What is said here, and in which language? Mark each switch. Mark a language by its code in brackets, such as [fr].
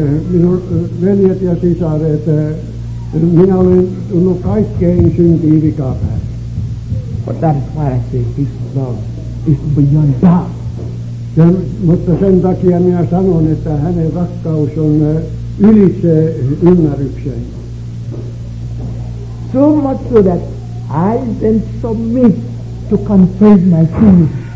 [fi] Minun veljet ja sisaret, minä olen tullut kaikkein syntiin vikapäin. [en] But that is why I say this love is beyond doubt. [fi] Mutta sen takia minä sanon, että hänen rakkaus on ylitse ymmärrykseen. [en] So much so that I then submit to confess my sins.